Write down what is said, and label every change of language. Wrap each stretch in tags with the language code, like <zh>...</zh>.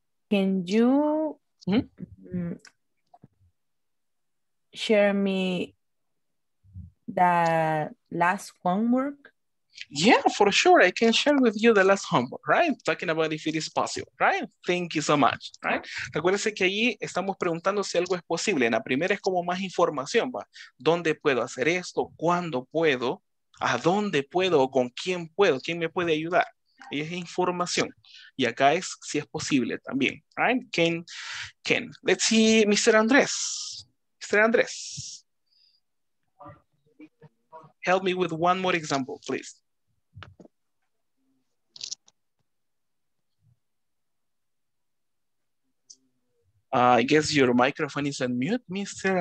<en>Can you... share me the last homework? Yeah, for sure. I can share with you the last homework, right? Talking about if it is possible, right? Thank you so much, right?</en> <es>Recuérdese que ahí estamos preguntando si algo es posible. En la primera es como más información, ¿va? ¿Dónde puedo hacer esto? ¿Cuándo puedo? ¿A dónde puedo? ¿O con quién puedo? ¿Quién me puede ayudar? Y es información. Y acá es si es posible también, right?</es> <en>Can. Let's see, Mr. Andrés. Mr. Andres, help me with one more example, please. I guess your microphone is on mute, Mr.</en>